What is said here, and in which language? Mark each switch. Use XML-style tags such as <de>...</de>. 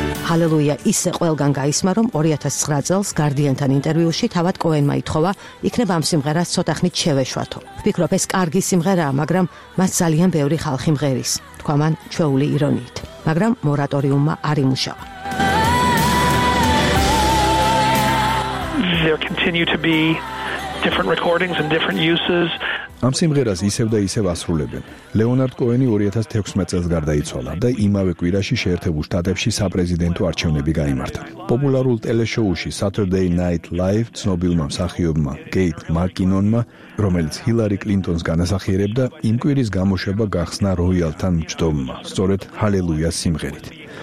<ka>Hallelujah ისე ყველგან გაისმა, რომ 2009 წელს Guardian-თან ინტერვიუში თავად კოენმა ითხოვა, იქნებ ამ სიმღერას ცოტა ხნით შევეშვათო. ვფიქრობ, ეს კარგი სიმღერაა, მაგრამ მას ძალიან ბევრი ხალხი მღერის, თქვა მან ჩვეული ირონიით. მაგრამ მორატორიუმმა არ იმუშავა.</ka> <en>There continue to be different recordings and different uses.</en> <ka>ამ სიმღერას ისევ და ისევ ასრულებენ. ლეონარდ კოენი 2016 წელს გარდაიცვალა და იმავე კვირაში შეერთებულ შტატებში საპრეზიდენტო არჩევნები გაიმართა. პოპულარულ ტელეშოუში Saturday Night Live ცნობილმა მსახიობმა კეით მაკინონმა, რომელიც ჰილარი კლინტონს განასახიერებდა, იმ კვირის გამოშვება გახსნა როიალთან მჯდომმა, სწორედ Hallelujah სიმღერით.</ka>